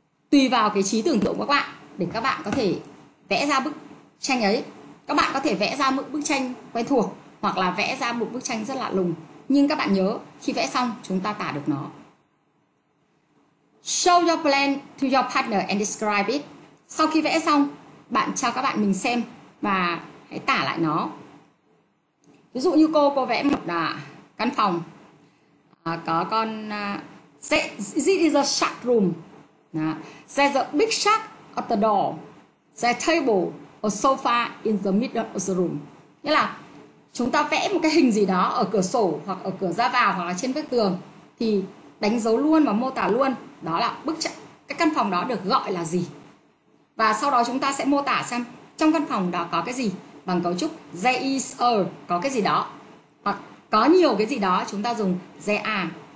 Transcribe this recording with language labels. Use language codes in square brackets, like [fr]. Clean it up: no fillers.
[vi] Tùy vào cái trí tưởng tượng của các bạn để các bạn có thể vẽ ra bức tranh ấy. Các bạn có thể vẽ ra một bức tranh quen thuộc hoặc là vẽ ra một bức tranh rất lạ lùng. Nhưng các bạn nhớ khi vẽ xong chúng ta tả được nó. [en] Show your plan to your partner and describe it. [vi] Sau khi vẽ xong, bạn cho các bạn mình xem và hãy tả lại nó. Ví dụ như cô vẽ một căn phòng có con [en] this is a shark room. There's a big shark at the door. There's a table, a sofa in the middle of the room. [vi] Nghĩa là chúng ta vẽ một cái hình gì đó ở cửa sổ hoặc ở cửa ra vào hoặc là trên bức tường thì đánh dấu luôn và mô tả luôn đó là bức tranh, cái căn phòng đó được gọi là gì. Và sau đó chúng ta sẽ mô tả xem trong căn phòng đó có cái gì bằng cấu trúc there is a, có cái gì đó, hoặc có nhiều cái gì đó chúng ta dùng there are.